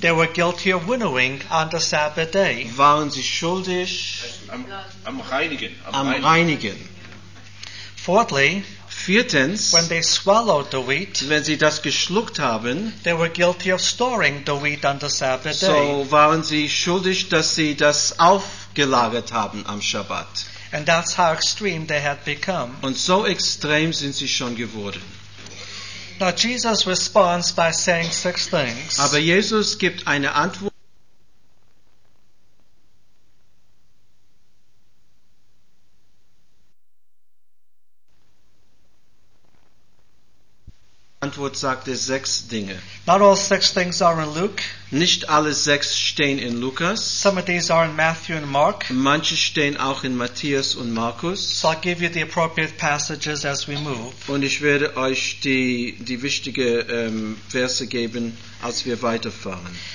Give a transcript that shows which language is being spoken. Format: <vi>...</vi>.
<en>they were guilty of winnowing on the Sabbath day.</en> <de>Waren sie schuldig am Reinigen.</de> <en>Fourthly,</en> <de>viertens,</de> <en>when they swallowed the wheat,</en> <de>wenn sie das geschluckt haben,</de> <en>they were guilty of storing the wheat on the Sabbath day.</en> <de>So waren sie schuldig, dass sie das aufgelagert haben am Shabbat.</de> <en>And that's how extreme they had become.</en> <de>Und so extrem sind sie schon geworden.</de> <en>Now Jesus responds by saying six things.</en> <de>Aber Jesus gibt eine Antwort. Antwort sagte sechs Dinge.</de> <en>Not all six things are in Luke.</en> <de>Nicht alle sechs stehen in Lukas.</de> <en>Some of these are in Matthew and Mark.</en> <de>Manche stehen auch in Matthäus und Markus.</de> <en>So I'll give you the appropriate passages as we move.</en> <de>Und ich werde euch die wichtigen Verse geben, als wir weiterfahren.</de>